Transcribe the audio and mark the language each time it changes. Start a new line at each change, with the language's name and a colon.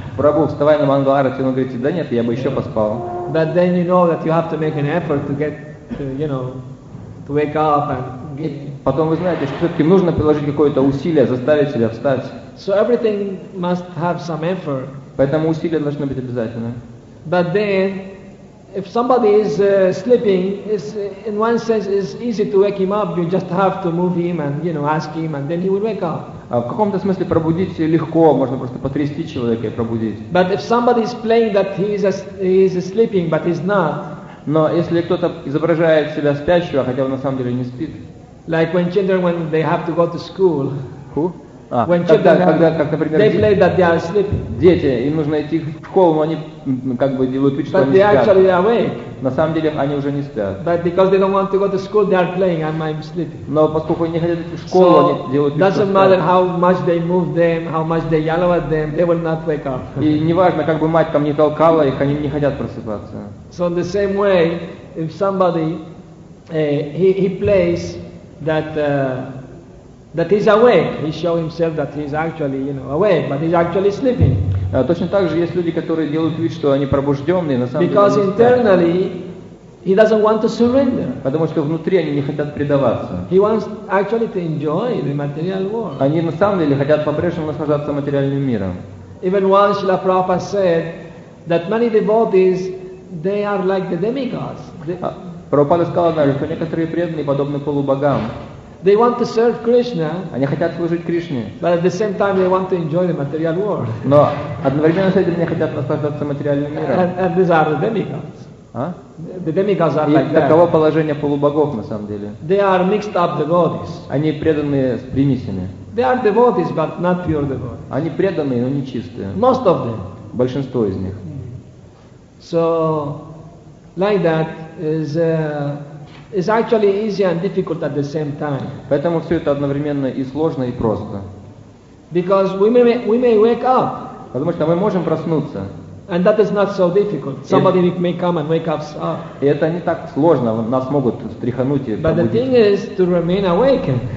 Russian: Прабху, вставай на Мангал Арти, он говорит, да нет, я бы еще поспал.
English: But then you know that you have to make an effort to get to wake up and get.
Russian: Потом вы знаете, что все-таки нужно приложить какое-то усилие, заставить себя встать.
English: So everything must have some effort.
Russian: Поэтому усилия должны быть обязательны.
English: But then, if somebody is sleeping, it's in one sense it's easy to wake him up. You just have to move him and, you know, ask him, and then he will wake up.
Russian: В каком-то смысле пробудить легко, можно просто потрясти человека и пробудить.
English: But if somebody is playing that he is sleeping, but he's not.
Russian: Но если кто-то изображает себя спящего, хотя он на самом деле не спит.
English: Like when children, when they have to go to school. Who? When
Russian: когда,
English: children
Russian: когда, как, например,
English: they play that they are sleeping.
Russian: Дети, им нужно идти в школу, но они как бы делают вид, что
English: but
Russian: они
English: they
Russian: спят.
English: Actually awake.
Russian: На самом деле они уже не спят.
English: But because they don't want to go to school, they are playing and I'm sleeping.
Russian: Но поскольку они не хотят идти в школу,
English: so
Russian: они делают вид, что спят.
English: Doesn't matter how much they move them, how much they yell at them, they will not wake up.
Russian: И неважно, как бы мать там не толкала их, они не хотят просыпаться.
English: So in the same way, if somebody he plays that. That he's awake. He shows himself that he's actually, you know, awake, but he's actually sleeping.
Russian: Точно так же есть люди, которые делают вид, что они пробужденные, на самом деле.
English: Because internally He doesn't want to surrender.
Russian: Потому что внутри они не хотят предаваться.
English: He wants actually to enjoy the material world.
Russian: Они на самом деле хотят по-прежнему наслаждаться материальным миром.
English: Even once Srila Prabhupada said that many devotees, they are like the demigods.
Russian: Прабхупада сказал однажды, что некоторые преданные подобны полубогам.
English: They want to serve Krishna.
Russian: Они хотят служить Кришне.
English: But at the same time they want to enjoy the material world.
Russian: Но одновременно с этим они хотят наслаждаться материальным миром.
English: And these are the demigods. А? The demigods are
Russian: и
English: like that.
Russian: Таково положение полубогов на самом деле.
English: They are mixed up devotees.
Russian: Они преданы с примесями.
English: They are devotees, but not pure devotees.
Russian: Они преданные, но не чистые.
English: Most of them.
Russian: Большинство из них.
English: So, like that is is actually easy and difficult at the same time.
Russian: Поэтому все это одновременно и сложно, и просто.
English: Because we may wake up.
Russian: Потому что мы можем проснуться.
English: And that is not so difficult. Somebody may come and wake us up.
Russian: И это не так сложно, нас могут встряхнуть и пробудить.
English: But the thing is to remain awakened.